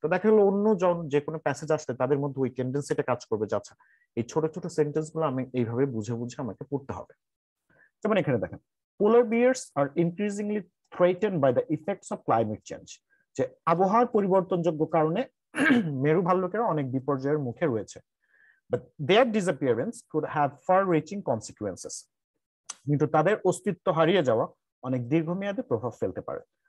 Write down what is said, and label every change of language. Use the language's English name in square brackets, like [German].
[Bangla] তো দেখা গেলো অন্য জন যে কোনো প্যাসেজ আসলে তাদের মধ্যে ওই টেন্ডেন্সিটা কাজ করবে, যে আচ্ছা এই ছোট ছোট সেন্টেন্স গুলো আমি এইভাবে বুঝে বুঝে আমাকে পড়তে হবে। যেমন এখানে দেখেন, [English] polar bears are increasingly threatened by the effects of climate change, [Bangla] যে আবহাওয়ার পরিবর্তনযোগ্য কারণে মেরু ভাল্লুকেরা অনেক বিপর্যয়ের মুখে রয়েছে। [English] But their disappearance could have far-reaching consequences. [Bangla] কিন্তু তাদের অস্তিত্ব হারিয়ে যাওয়া অনেক দীর্ঘমেয়াদে প্রভাব ফেলতে পারে।